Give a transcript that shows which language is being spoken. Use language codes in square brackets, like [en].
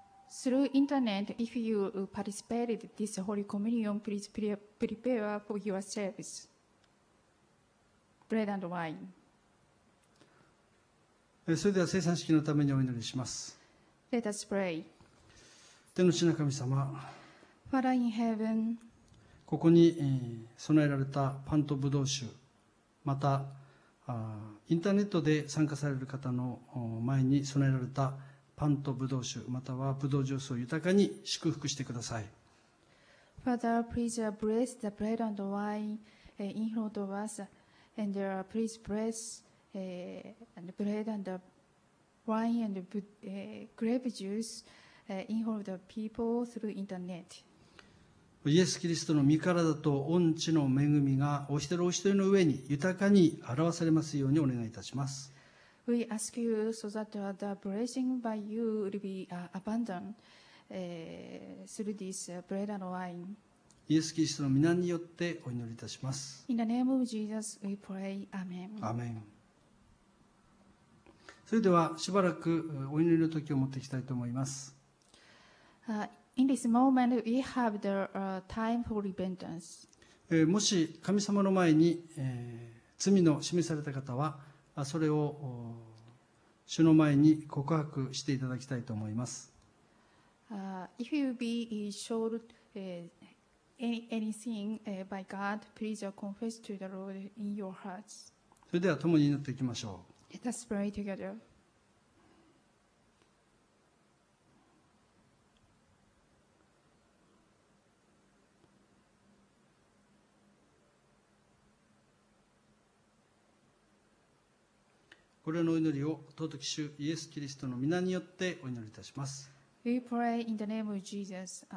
[en] Through internet, if you participated in this Holy Communion, please prepare for your service. Bread and wine. [ja] それでは聖餐式のためにお祈りします。 [en] Let us pray. [ja] 天の父なる神様、 [en] Father in heaven, [ja] ここに備えられたパンとブドウ酒、またインターネットで参加される方の前に備えられたパンとブドウ酒、またはブドウジュースを豊かに祝福してください。 [en] Father, please bless the bread and wine in front of us, and please bless the bread and wine and grape juice in front of the people through internet. [ja] イエス・キリストの御体と御血の恵みがお一人お一人の上に豊かに表されますようにお願いいたします。 [en] We ask you so that the blessing by you will be abundant through this bread and wine. [ja] イエス・キリストの御名によってお祈りいたします。 [en] In the name of Jesus, we pray. Amen. Amen. [ja] それではしばらくお祈りの時を持っていきたいと思います。 [en] In this moment, we have the time for repentance. [ja] もし神様の前に罪の示された方は、それを主の前に告白していただきたいと思います。 [en] If you be showed anything by God, please confess to the Lord in your hearts. [ja] それでは共に祈っていきましょう。 [en] Let us pray together. [ja] これのお祈りを尊き主イエス・キリストの御名によってお祈りいたします。 [en] We pray in the name of Jesus.